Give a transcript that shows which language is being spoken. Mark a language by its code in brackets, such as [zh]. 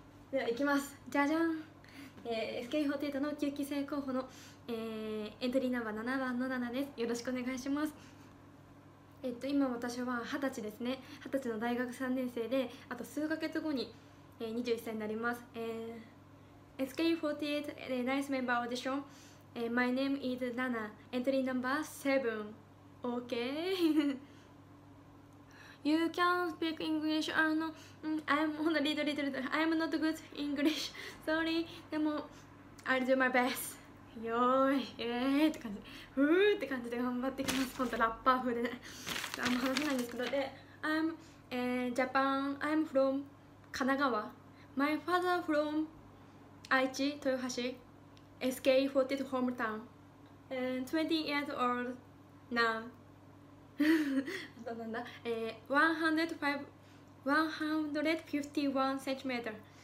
[ja] では行きます、じゃじゃん、SK48 の9期生候補の、エントリーナンバー7番の7です、よろしくお願いします。今私は20歳ですね、20歳の大学3年生で、あと数ヶ月後に、21歳になります。 [en] SK48 Nice Member Audition、My name is Nana Entry number 7 OK You can speak English I'm not little I'm not good English Sorry でも I'll do my best [ja] よーい、って感じ、ふーって感じで頑張ってきます。本当ラッパー風でね、あんま話せないんですけど、で [en] I'm Japan I'm from 神奈川 My father from愛知豊橋 SK48 hometown 20 years old [ja] なん。あとなんだ。151cm。